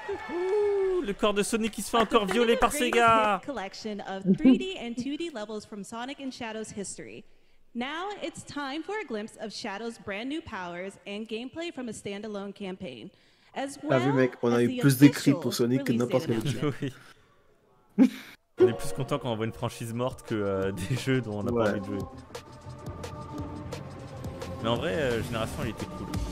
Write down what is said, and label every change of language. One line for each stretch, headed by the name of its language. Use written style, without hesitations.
French: Le corps de Sonic qui se fait encore violer par Sega.
English: Collection of 3D and 2D levels from Sonic and Shadow's history. Now it's time for a glimpse of Shadow's brand new powers and gameplay from a standalone campaign. As well,
French: ah oui, mec, on a eu plus d'écrits pour Sonic que n'importe quel jeu. On est plus content quand on voit une franchise morte que des jeux dont on n'a pas envie de jouer. Mais en vrai, Génération, il était cool.